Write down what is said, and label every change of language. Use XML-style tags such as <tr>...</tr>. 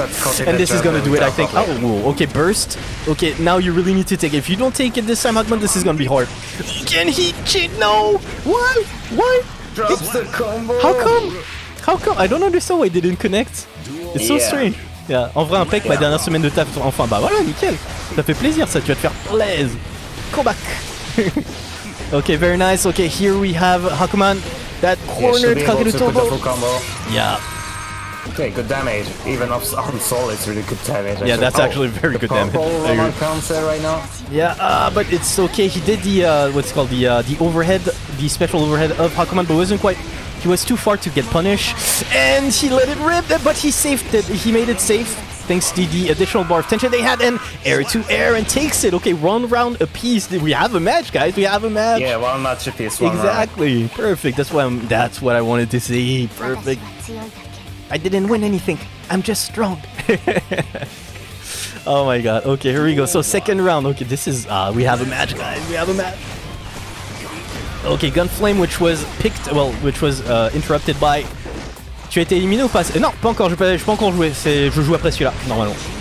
<en>And this is going to do it, I think. Oh, okay, burst. Okay, now you really need to take it. If you don't take it this time, Hakuman, this is going to be hard. Can he cheat? No. Why? Why? Drops the combo. How come? I don't understand why it didn't connect. It's so strange. Yeah.</en> <fr>En vrai, un peck, ma dernière semaine de taf, enfin, bah voilà, nickel. Ça fait plaisir, ça, tu vas te faire plaise.</fr> <en>Come back. Okay, very nice. Okay, here we have Hakuman. That corner, Kage the turbo. Combo. Yeah. Okay, good damage. Even off on solid, it's really good damage. Yeah, that's actually very good damage. Right now. Yeah, but it's okay. He did the, what's it called, the overhead, the special overhead of Hakuman, but wasn't quite... He was too far to get punished, and he let it rip, but he saved it. He made it safe, thanks to the additional bar of tension they had, and air-to-air, and takes it. Okay, one round apiece. We have a match, guys. We have a match. Yeah, one match apiece, one exactly. round. Exactly. Perfect. That's what, that's what I wanted to see. Perfect. I didn't win anything. I'm just strong. Oh, my God. Okay, here we go. So, second round. Okay, this is... we have a match, guys. We have a match. Okay, Gunflame, which was picked, well, which was interrupted by...</en> <fr>Tu as été éliminé ou pas? Non, pas encore, je peux encore jouer, je joue après celui-là, normalement.</fr>